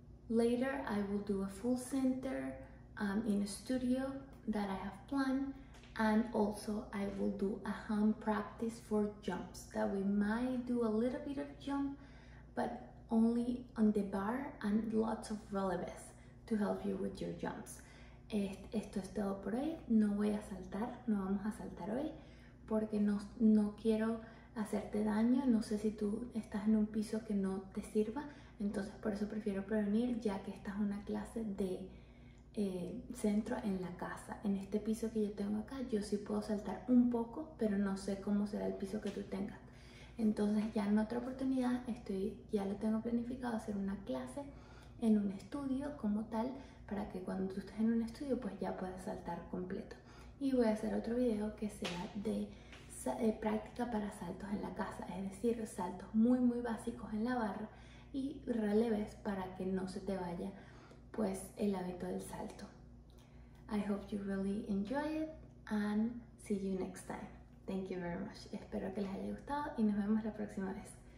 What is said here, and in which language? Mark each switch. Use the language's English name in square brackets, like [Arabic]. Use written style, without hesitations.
[English] Later, I will do a full center in a studio that I have planned. And also I will do a hand practice for jumps that we might do a little bit of jump, but only on the bar and lots of releves to help you with your jumps. [Spanish] Esto es todo por hoy. No voy a saltar, no vamos a saltar hoy, porque no quiero hacerte daño. No sé si tú estás en un piso que no te sirva, entonces por eso prefiero prevenir, ya que esta es una clase de centro en la casa. En este piso que yo tengo acá, yo sí puedo saltar un poco, pero no sé cómo será el piso que tú tengas. Entonces ya en otra oportunidad, ya lo tengo planificado, hacer una clase en un estudio como tal, para que cuando tú estés en un estudio, pues ya puedas saltar completo. Y voy a hacer otro video que sea de práctica para saltos en la casa, es decir, saltos muy muy básicos en la barra y releves para que no se te vaya pues el hábito del salto. [English] I hope you really enjoy it and see you next time. Thank you very much. [Spanish] Espero que les haya gustado y nos vemos la próxima vez.